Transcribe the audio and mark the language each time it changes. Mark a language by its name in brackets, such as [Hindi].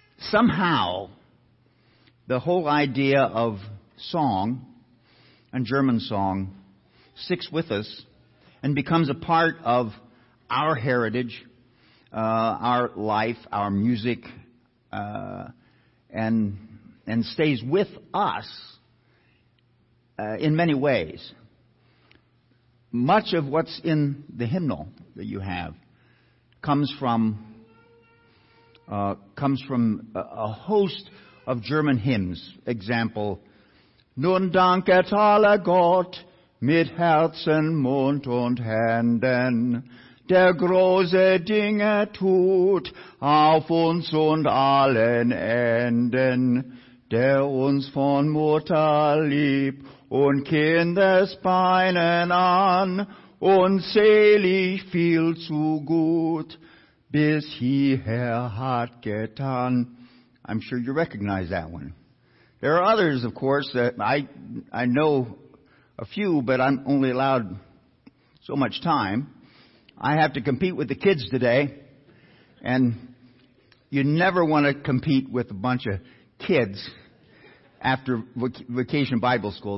[English] Somehow, the whole idea of song and German song sticks with us and becomes a part of our heritage, our life, our music, and stays with us in many ways. Much of what's in the hymnal that you have comes from a host of German hymns. [German] Example: Nun danket alle Gott mit Herzen, Mund und Händen, der große Dinge tut auf uns und allen Enden, der uns von Mutterlieb und Kindesbeinen an und selig viel zu gut bis hierher hat getan. [English] I'm sure you recognize that one. There are others, of course, that I know a few, but I'm only allowed so much time. I have to compete with the kids today, and you never want to compete with a bunch of kids after vacation Bible school.